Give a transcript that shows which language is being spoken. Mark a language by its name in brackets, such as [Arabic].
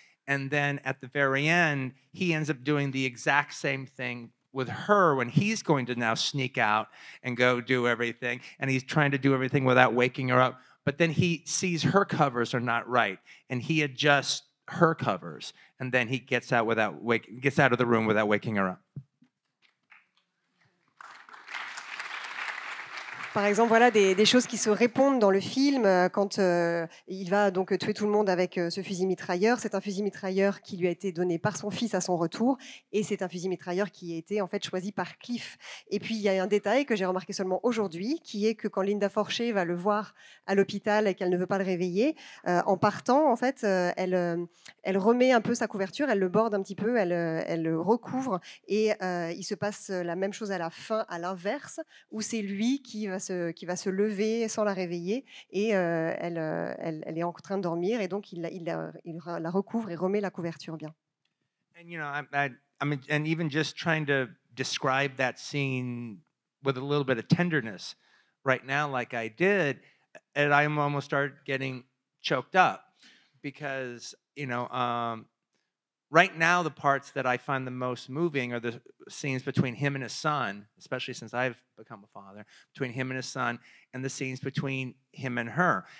[English] And then at the very end, he ends up doing the exact same thing with her when he's going to now sneak out and go do everything, and he's trying to do everything without waking her up, but then he sees her covers are not right and he adjusts her covers, and then he gets out of the room without waking her up. [French] Par exemple, voilà des choses qui se répondent dans le film quand il va donc tuer tout le monde avec ce fusil mitrailleur. C'est un fusil mitrailleur qui lui a été donné par son fils à son retour, et c'est un fusil mitrailleur qui a été en fait choisi par Cliff. Et puis il y a un détail que j'ai remarqué seulement aujourd'hui, qui est que quand Linda Forché va le voir à l'hôpital et qu'elle ne veut pas le réveiller, en partant en fait, elle remet un peu sa couverture, elle le borde un petit peu, elle le recouvre, et il se passe la même chose à la fin, à l'inverse, où c'est lui qui va se lever sans la réveiller, et elle est en train de dormir, et donc il la recouvre et remet la couverture bien. [English] And you know, I mean, even just trying to describe that scene with a little bit of tenderness right now, like I did, and I almost started getting choked up, because you know, right now the parts that I find the most moving are the scenes between him and his son, especially since I've become a father, between him and his son, and the scenes between him and her.